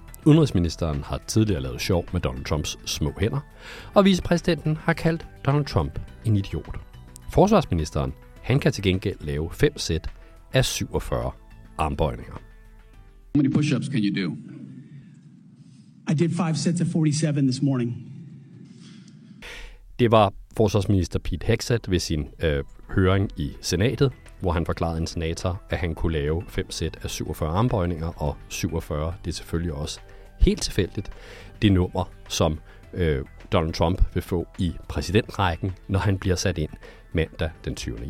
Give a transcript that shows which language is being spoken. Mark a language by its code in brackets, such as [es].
[da] Udenrigsministeren har tidligere lavet sjov med Donald Trumps små hænder. Og vicepræsidenten har kaldt Donald Trump en idiot. Forsvarsministeren, han kan til gengæld lave 5 sæt af 47 armbøjninger. [en] How many push-ups can you do? I did 5 sets of 47 this morning. [da] Det var forsvarsminister Pete Hegseth ved sin høring i senatet, hvor han forklarede en senator, at han kunne lave 5 sæt af 47 armbøjninger, og 47, det er selvfølgelig også helt tilfældigt, det nummer, som Donald Trump vil få i præsidentrækken, når han bliver sat ind mandag den 20.